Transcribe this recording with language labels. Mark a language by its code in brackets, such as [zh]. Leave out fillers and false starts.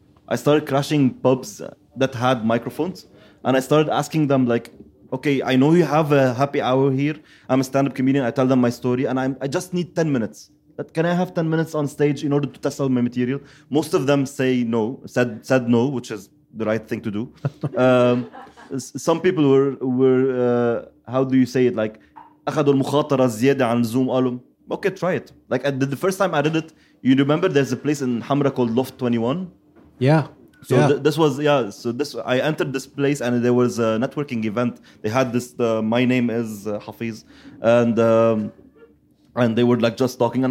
[en] I started crashing pubs that had microphones. And I started asking them, like, okay, I know you have a happy hour here. I'm a stand-up comedian. I tell them my story. And I just need 10 minutes. But can I have 10 minutes on stage in order to test out my material? Most of them said no, which is the right thing to do. some people were how do you say it? [ar] Like, أخذوا المخاطرة زيادة عن زوم قالوا, [en] okay, try it. Like, the first time I did it, you remember there's a place in Hamra called Loft 21? Yeah. So yeah. I entered this place and there was a networking event. They had this, my name is Hafiz, and they were like just talking.